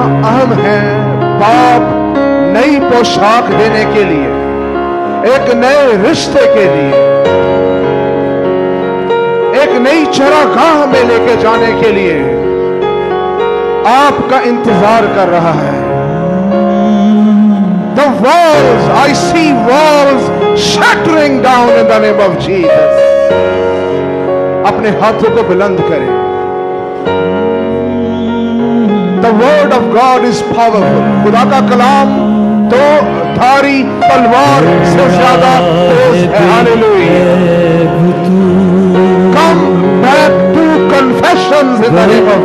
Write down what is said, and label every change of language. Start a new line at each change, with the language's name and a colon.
Hindi: अहम है बाप नई पोशाक देने के लिए एक नए रिश्ते के लिए एक नई चरागाह में लेके जाने के लिए आपका इंतजार कर रहा है
English: The walls, I see walls shattering down in the name of Jesus.
Hindi: अपने हाथों को बुलंद करें
English: The word of God is powerful.
Hindi: खुदा का कलाम तो धारी तलवार से ज्यादा तेज है.
English: Hallelujah. Come back to confessions in the name of